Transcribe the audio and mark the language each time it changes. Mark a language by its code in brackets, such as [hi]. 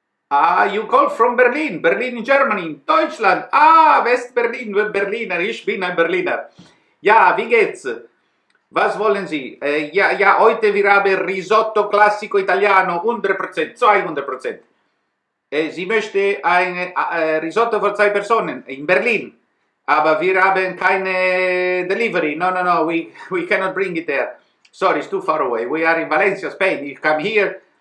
[en] Ah, you call from Berlin, Berlin in Germany, [de] in Deutschland. Ah, West Berlin, Berliner, ich bin ein Berliner. Ja, wie geht's? Was wollen Sie? Ja, heute wir haben [it] risotto classico italiano, [de] 100%, 200%. Sie möchte ein risotto für zwei Personen in Berlin. Aber wir haben keine delivery. [en] No, we cannot bring it there. Sorry, it's too far away. We are in Valencia, Spain. You come here,